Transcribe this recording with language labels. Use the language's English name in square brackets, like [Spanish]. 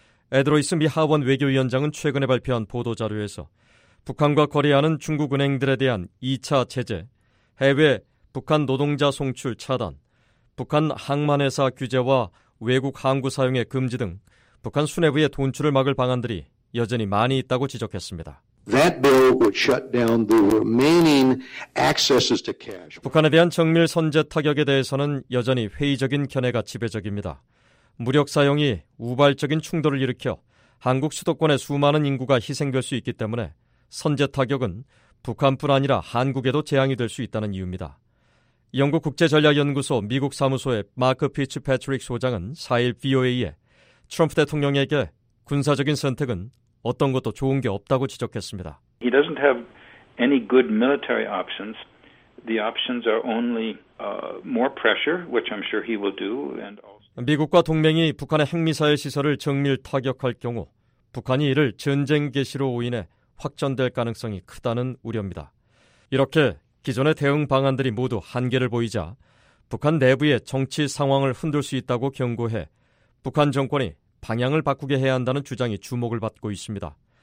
[Korean] 에드로이스 미 하원 외교위원장은 최근에 발표한 보도자료에서 북한과 거래하는 중국은행들에 대한 2차 제재, 해외 북한 노동자 송출 차단, 북한 항만회사 규제와 외국 항구 사용의 금지 등 북한 수뇌부의 돈출을 막을 방안들이 여전히 많이 있다고 지적했습니다. [English] That bill would shut down the remaining accesses to cash. [Korean] 북한에 대한 정밀 선제 타격에 대해서는 여전히 회의적인 견해가 지배적입니다. 무력 사용이 우발적인 충돌을 일으켜 한국 수도권의 수많은 인구가 희생될 수 있기 때문에 선제 타격은 북한뿐 아니라 한국에도 재앙이 될 수 있다는 이유입니다. 영국 국제전략연구소 미국 사무소의 마크 피츠 패트릭 소장은 4일 VOA에 트럼프 대통령에게 군사적인 선택은 어떤 것도 좋은 게 없다고 지적했습니다. [English] He doesn't have any good military options. The options are only more pressure, which I'm sure he will do. And also [Korean] 미국과 동맹이 북한의 핵미사일 시설을 정밀 타격할 경우 북한이 이를 전쟁 개시로 오인해 확전될 가능성이 크다는 우려입니다. 이렇게 기존의 대응 방안들이 모두 한계를 보이자 북한 내부의 정치 상황을 흔들 수 있다고 경고해 북한 정권이 방향을 바꾸게 해야 한다는 주장이 주목을 받고 있습니다.